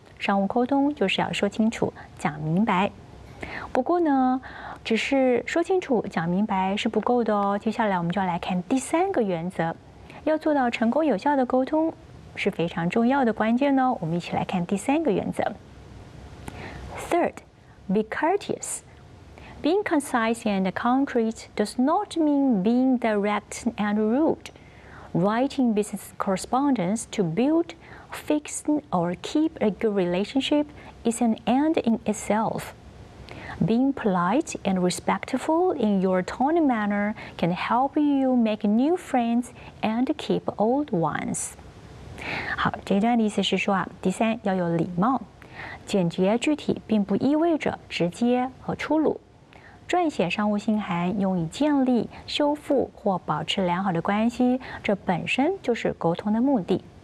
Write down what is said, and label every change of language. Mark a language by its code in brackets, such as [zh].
[zh] 商务沟通就是要说清楚、讲明白。不过呢，只是说清楚、讲明白是不够的哦。接下来我们就要来看第三个原则，要做到成功有效的沟通是非常重要的关键呢。我们一起来看第三个原则。 [en] Third, be courteous. Being concise and concrete does not mean being direct and rude. Writing business correspondence to build, fix, or keep a good relationship is an end in itself. Being polite and respectful in your tone and manner can help you make new friends and keep old ones. [zh] 好，这段的意思是说啊，第三要有礼貌。简洁具体并不意味着直接和粗鲁。撰写商务信函用以建立、修复或保持良好的关系，这本身就是沟通的目的。